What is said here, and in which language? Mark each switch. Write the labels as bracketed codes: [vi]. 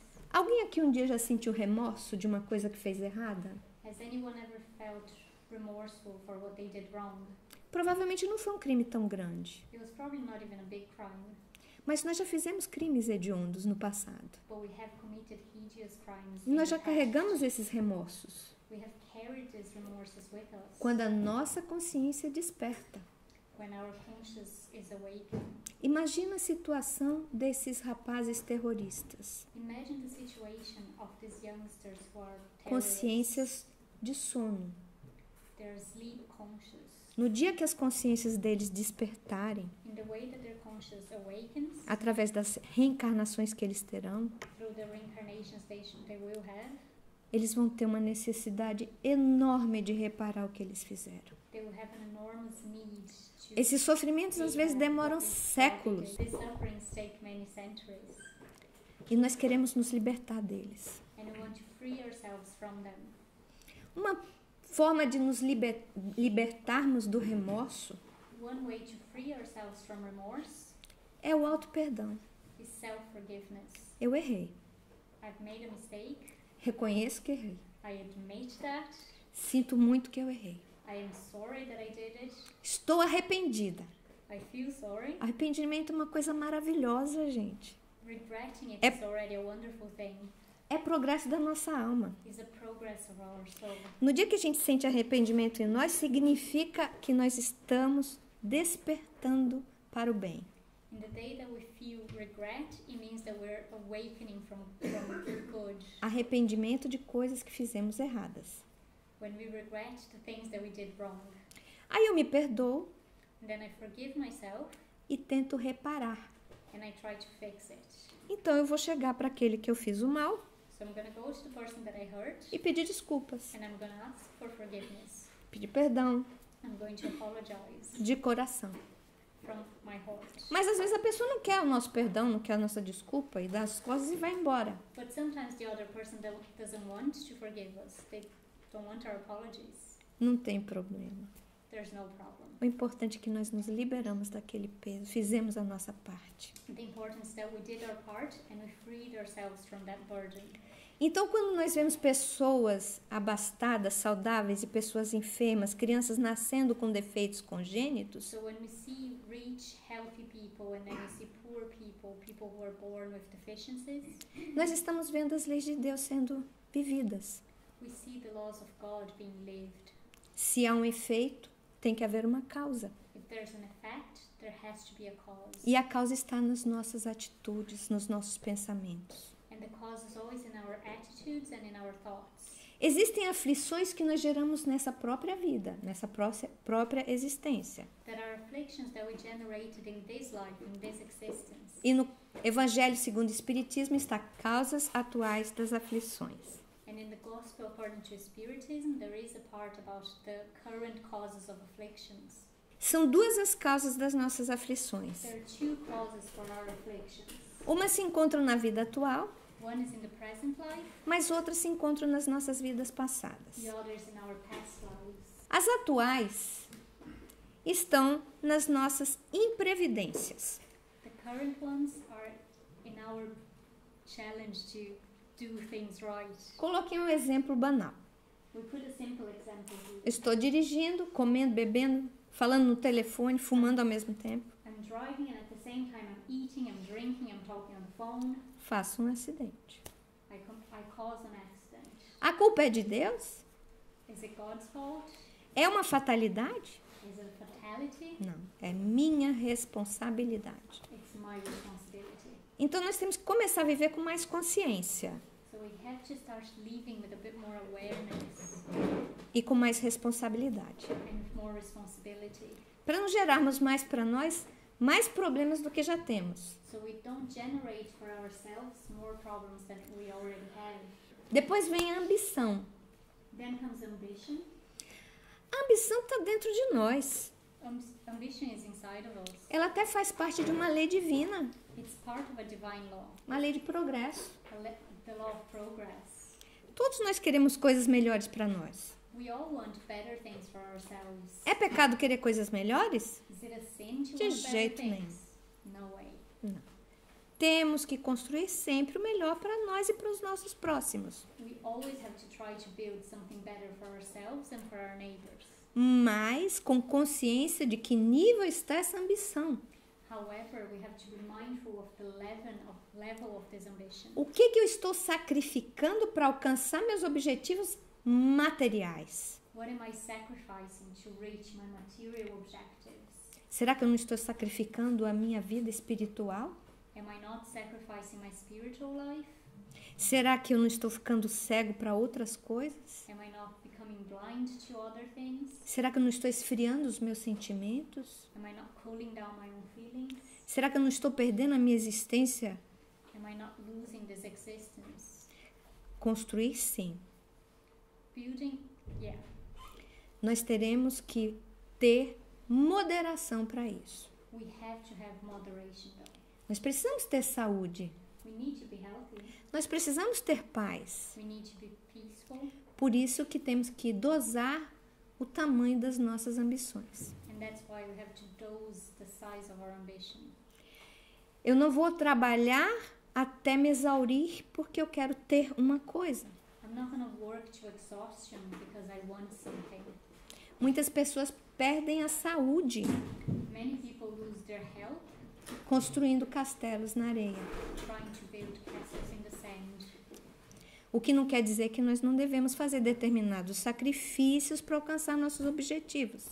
[pt] Alguém aqui um dia já sentiu remorso de uma coisa que fez errada? [en] Has anyone ever felt remorseful for what they did wrong? [pt] Provavelmente não foi um crime tão grande. [en] It was probably not even a big crime. [pt] Mas nós já fizemos crimes hediondos no passado. [en] But we have committed hideous crimes. [pt] Nós já carregamos esses remorsos. [en] We have carried these remorses with us. [pt] Quando a nossa consciência desperta. [en] When our conscience is awake. [pt] Imagina a situação desses rapazes terroristas. [en] Imagine the situation of these youngsters who are terrorists. [pt] Consciências de sono. [en] They're sleep conscious. [pt] No dia que as consciências deles despertarem, [en] in the way that their conscience awakens, [pt] através das reencarnações que eles terão, [en] through the reincarnations they will have, [pt] eles vão ter uma necessidade enorme de reparar o que eles fizeram. [en] They will have an enormous need to [pt] Esses sofrimentos às vezes demoram séculos. [en] These sufferings take many centuries. [pt] E nós queremos nos libertar deles. [en] And we want to free ourselves from them. [pt] Uma forma de nos libertarmos do remorso [en] One way to free ourselves from remorse [pt] é o auto-perdão. [en] Is self-forgiveness. [pt] Eu errei. [en] I've made a mistake. [pt] Reconheço que errei. [en] I admit that. [pt] Sinto muito que eu errei. [en] I am sorry that I did it. [pt] Estou arrependida. [en] I feel sorry. [pt] Arrependimento é uma coisa maravilhosa, gente. [en] Regretting it is already a wonderful thing. [pt] É progresso da nossa alma. [en] Is a progress of our soul. [pt] No dia que a gente sente arrependimento em nós, significa que nós estamos despertando para o bem. [en] In the day that we feel regret, it means that we're awakening from good. [pt] Arrependimento de coisas que fizemos erradas. [en] When we regret the things that we did wrong. [pt] Aí eu me perdoo. [en] And then I forgive myself. [pt] E tento reparar. [en] And I try to fix it. [pt] Então eu vou chegar para aquele que eu fiz o mal. [en] So I'm gonna go to the person that I hurt, [pt] e pedir desculpas. [en] And I'm gonna ask for forgiveness. [pt] Pedir perdão. [en] I'm going to apologize. [pt] De coração. [en] From my heart. [pt] Mas às vezes a pessoa não quer o nosso perdão, não quer a nossa desculpa e dá as costas e vai embora. [en] But sometimes the other person doesn't want to forgive us. They don't want our apologies. [pt] Não tem problema. [en] There's no problem. [pt] O importante é que nós nos liberamos daquele peso, fizemos a nossa parte. [en] The importance that we did our part and we freed ourselves from that burden. [pt] Então, quando nós vemos pessoas abastadas, saudáveis e pessoas enfermas, crianças nascendo com defeitos congênitos, [en] so when we see rich, healthy people and then we see poor people, people who are born with deficiencies, [pt] nós estamos vendo as leis de Deus sendo vividas. [en] We see the laws of God being lived. [pt] Se há um efeito, tem que haver uma causa. [en] If there's an effect, there has to be a cause. [pt] E a causa está nas nossas atitudes, nos nossos pensamentos. [en] And the cause is always in our attitudes and in our thoughts. [pt] Existem aflições que nós geramos nessa própria vida, nessa própria existência. [en] There are afflictions that we generated in this life, in this existence. [pt] E no Evangelho segundo o Espiritismo está causas atuais das aflições. [en] And in the gospel according to Spiritism, there is a part about the current causes of afflictions. [pt] São duas as causas das nossas aflições. [en] There are two causes for our afflictions. [pt] Uma se encontra na vida atual. [en] One is in the present life. [pt] Mas outra se encontra nas nossas vidas passadas. [en] The other is in our past lives. [pt] As atuais estão nas nossas imprevidências. [en] The current ones are in our challenge to do things right. [pt] Coloquei um exemplo banal. [en] We put a simple example here. [pt] Estou dirigindo, comendo, bebendo, falando no telefone, fumando ao mesmo tempo. [en] I'm driving and at the same time I'm eating, I'm drinking, I'm talking on the phone. [pt] Faço um acidente. [en] I cause an accident. [pt] A culpa é de Deus? [en] Is it God's fault? [pt] É uma fatalidade? [en] Is it a fatality? [pt] Não, é minha responsabilidade. [en] It's my responsibility. [pt] Então nós temos que começar a viver com mais consciência. [en] So we have to start living with a bit more awareness. [pt] E com mais responsabilidade. [en] And more responsibility. [pt] Para não gerarmos mais para nós mais problemas do que já temos. [en] So we don't generate for ourselves more problems than we already have. [pt] Depois vem a ambição. [en] Then comes ambition. [pt] A ambição está dentro de nós. [en] Ambition is inside of us. [pt] Ela até faz parte de uma lei divina. [en] It's part of a divine law. [pt] Uma lei de progresso. [en] The law of progress. [pt] Todos nós queremos coisas melhores para nós. [en] We all want better things for ourselves. [pt] É pecado querer coisas melhores? [en] Is it a sin to [pt] de [en] want [pt] jeito [en] better [pt] nenhum. [en] No way. [pt] Não. Temos que construir sempre o melhor para nós e para os nossos próximos. [en] We always have to try to build something better for ourselves and for our neighbors. [pt] Mas com consciência de que nível está essa ambição. [en] However, we have to be mindful of the level of this ambition. [pt] O que que eu estou sacrificando para alcançar meus objetivos materiais? [en] What am I sacrificing to reach my material objectives? [pt] Será que eu não estou sacrificando a minha vida espiritual? [en] Am I not sacrificing my spiritual life? [pt] Será que eu não estou ficando cego para outras coisas? [en] Am I not becoming blind to other things? [pt] Será que eu não estou esfriando os meus sentimentos? [en] Am I not cooling down my own feelings? [pt] Será que eu não estou perdendo a minha existência? [en] Am I not losing this existence? [pt] Construir, sim. [en] Building, yeah. [pt] Nós teremos que ter moderação para isso. [en] We have to have moderation, though. [pt] Nós precisamos ter saúde. [en] We need to be healthy. [pt] Nós precisamos ter paz. [en] We need to be peaceful. [pt] Por isso que temos que dosar o tamanho das nossas ambições. [en] And that's why we have to dose the size of our ambition. [pt] Eu não vou trabalhar até me exaurir porque eu quero ter uma coisa. [en] I'm not gonna work to exhaustion because I want something. [pt] Muitas pessoas perdem a saúde. [en] Many people lose their health. [pt] Construindo castelos na areia. [en] Trying to build castles in the sand. [pt] O que não quer dizer que nós não devemos fazer determinados sacrifícios para alcançar nossos objetivos.